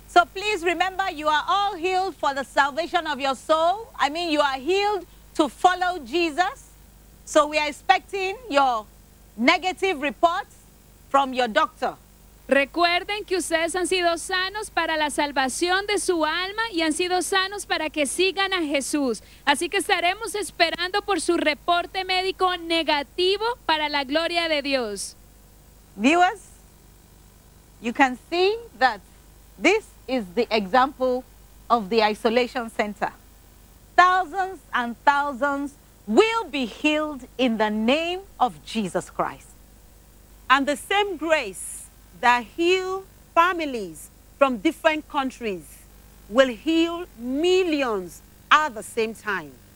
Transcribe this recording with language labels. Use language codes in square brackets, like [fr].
[en] So please remember, you are all healed for the salvation of your soul. I mean, you are healed to follow Jesus. So we are expecting your negative reports from your doctor. [es] Recuerden que ustedes han sido sanos para la salvación de su alma y han sido sanos para que sigan a Jesús. Así que estaremos esperando por su reporte médico negativo para la gloria de Dios. [en] Viewers, you can see that this is the example of the isolation center. Thousands and thousands will be healed in the name of Jesus Christ. And the same grace that heal families from different countries will heal millions at the same time.